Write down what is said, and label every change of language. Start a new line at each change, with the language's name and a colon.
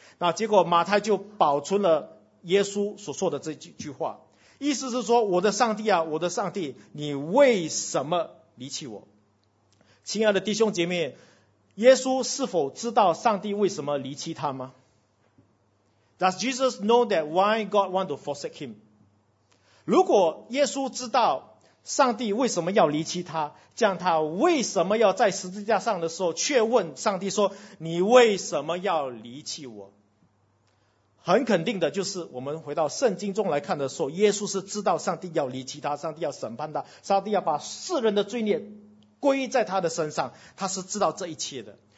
Chinese: 那结果马太就保存了耶稣所说的这句话，意思是说，我的上帝啊，我的上帝，你为什么离弃我？亲爱的弟兄姐妹，耶稣是否知道上帝为什么离弃他吗？
English: Does Jesus know that why God want to forsake him？
Chinese: 如果耶稣知道上帝为什么要离弃他，这样他为什么要在十字架上的时候却问上帝说，你为什么要离弃我？很肯定的，就是我们回到圣经中来看的时候，耶稣是知道上帝要离弃他，上帝要审判他，上帝要把世人的罪孽归在他的身上，他是知道这一切的。